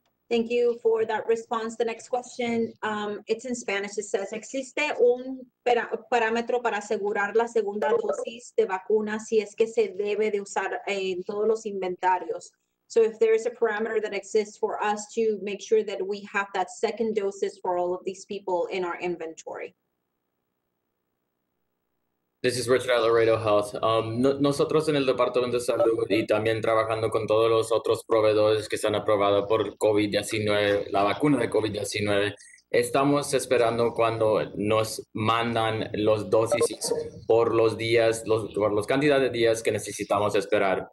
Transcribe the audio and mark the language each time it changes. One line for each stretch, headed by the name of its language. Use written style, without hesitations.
English: Thank you for that response. The next question, it's in Spanish. It says,
Spanish: ¿existe un parámetro para asegurar la segunda dosis de vacuna si es que se debe de usar en todos los inventarios?
English: So if there is a parameter that exists for us to make sure that we have that second doses for all of these people in our inventory. This is Richard at Laredo Health.
Spanish: Nosotros en el Departamento de Salud y también trabajando con todos los otros proveedores que se han aprobado por COVID-19, la vacuna de COVID-19, estamos esperando cuando nos mandan los dosis por los días, por las cantidades de días que necesitamos esperar.